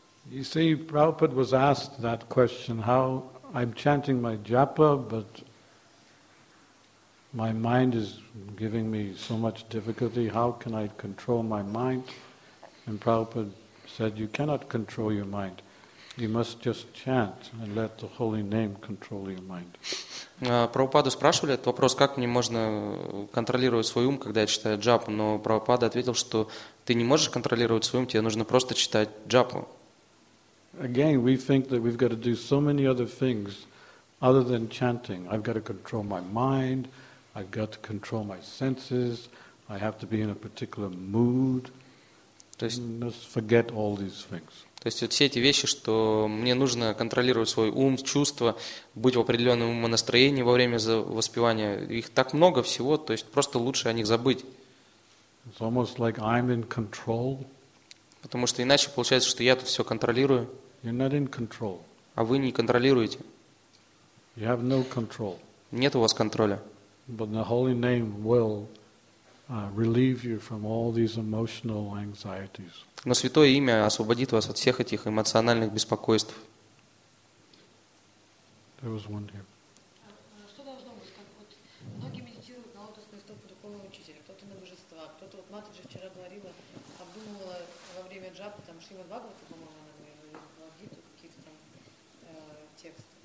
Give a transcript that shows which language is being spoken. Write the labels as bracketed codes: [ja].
[en] You see, Prabhupada was asked that question, how I'm chanting my japa, but my mind is giving me so much difficulty, how can I control my mind? And Prabhupada said, you cannot control your mind. You must just chant and let the holy name control your mind. [ru] Прабхупаду спрашивали этот вопрос, как мне можно контролировать свой ум, когда я читаю джапу, но Прабхупада ответил, что ты не можешь контролировать свой ум, тебе нужно просто читать джапу. [en] Again, we think that we've got to do so many other things other than chanting. I've got to control my mind, I've got to control my senses, I have to be in a particular mood. Let's forget all these things. [ru] То есть вот все эти вещи, что мне нужно контролировать свой ум, чувства, быть в определенном умонастроении во время воспевания, их так много всего, то есть просто лучше о них забыть. [en] It's almost like I'm in control. [ru] Потому что иначе получается, что я тут все контролирую. [en] You're not in control. [ru] А вы не контролируете. [en] You have no control. [ru] Нет у вас контроля. [en] But the holy name will relieve you from all these emotional anxieties. [ru] Но святое имя освободит вас от всех этих эмоциональных беспокойств. [en] There was one here. [ru] Что должно быть, как вот многие медитируют на лотосные стопы духовного учителя, кто-то на божества, кто-то вот Мата же вчера говорила, обдумывала во время джапы, там Шримад Бхагавата, по-моему, она говорила, Гиту, какие-то там тексты.